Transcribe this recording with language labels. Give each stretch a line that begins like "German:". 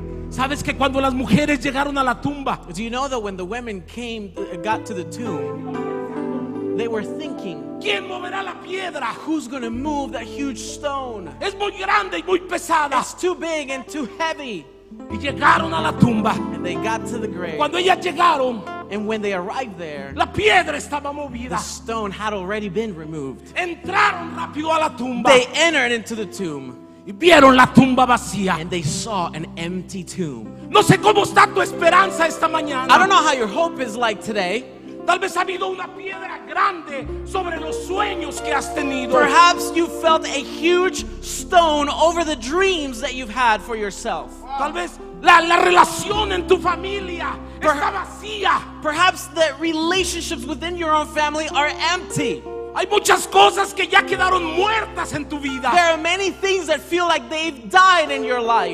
Spanish: ¿Sabes que cuando las mujeres llegaron a la tumba?
English: Do you know that when the women came got to the tomb, they were thinking,
Spanish: ¿quién moverá la piedra?
English: Who's going to move that huge stone?
Spanish: Es muy grande y muy pesada.
English: It's too big and too heavy.
Spanish: Y llegaron a la tumba.
English: And they got to the grave.
Spanish: Cuando ellas llegaron,
English: and when they arrived there,
Spanish: la piedra estaba movida.
English: The stone had already been removed.
Spanish: Entraron rápido a la tumba.
English: They entered into the tomb.
Spanish: Y vieron la tumba vacía.
English: And they saw an empty tomb.
Spanish: No sé cómo está tu esperanza esta mañana.
English: I don't know how your hope is like today.
Spanish: Tal vez ha habido una piedra grande sobre los sueños que has tenido.
English: Perhaps you felt a huge stone over the dreams that you've had for yourself. Wow.
Spanish: Tal vez la relación en tu familia está vacía.
English: Perhaps the relationships within your own family are empty.
Spanish: Hay muchas cosas que ya quedaron muertas en tu vida.
English: There are many things that feel like they've died in your life.